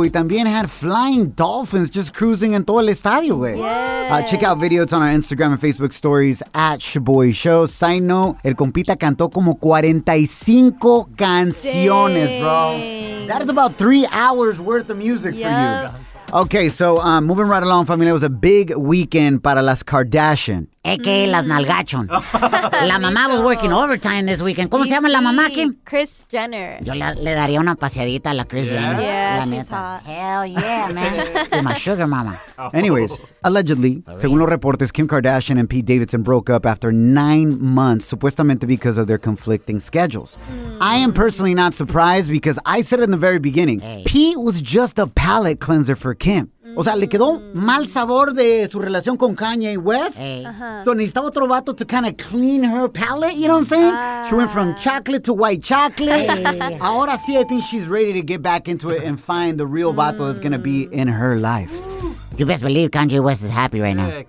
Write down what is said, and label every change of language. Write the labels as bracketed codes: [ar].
[es] Y también [en] had flying dolphins just cruising [es] en todo el estadio, güey. [en] Yeah. Check out videos on our Instagram and Facebook stories at Shaboy Show. [es] Side note, el compita cantó como 45 canciones, [en] dang, bro. That is about 3 hours worth of music, yep, for you. Okay, so moving right along, family. It was a big weekend para las Kardashian. [es] Eke las nalgachon. La mamá [en] was working overtime this weekend. [es] ¿Cómo se llama la mamá, Kim? [en] Kris Jenner. [es] Yo le daría una paseadita a la Kris Jenner. [en] Yeah, [es] la [en] she's neta. Hot. Hell yeah, man. My sugar mama. Anyways, allegedly, [es] según los reportes, [en] Kim Kardashian and Pete Davidson broke up after 9 months, [es] supuestamente [en] because of their conflicting schedules. I am personally not surprised because I said in the very beginning, Pete was just a palate cleanser for Kim. [es] O sea, le quedó mal sabor de su relación con Kanye West. [en] Hey. So [es] necesitaba otro vato [en] to kind of clean her palate, you know what I'm saying? She went from chocolate to white chocolate. [es] Ahora sí, [en] I think she's ready to get back into it and find the real vato that's going to be in her life. You best believe Kanye West is happy right now.